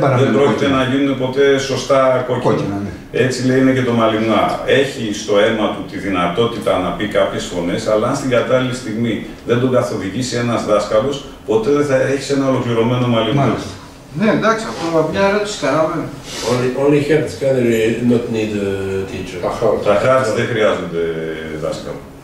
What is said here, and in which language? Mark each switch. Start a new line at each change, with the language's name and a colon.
Greek: πρόκειται κόκκινα να γίνουν ποτέ σωστά κόκκινα. Ναι. Έτσι λέει είναι και το μαλλινά. Έχει στο αίμα του τη δυνατότητα να πει κάποιες φωνές, αλλά αν στην κατάλληλη στιγμή δεν τον καθοδηγήσει ένας δάσκαλος, ποτέ δεν θα έχεις ένα ολοκληρωμένο μαλλινά. Μάλιστα. Ναι, εντάξει, αυτό είναι μια ερώτηση, κάναμε.
English: Only hearts can not need a teacher.
Greek: Τα hearts δεν χρειάζονται δάσκαλο.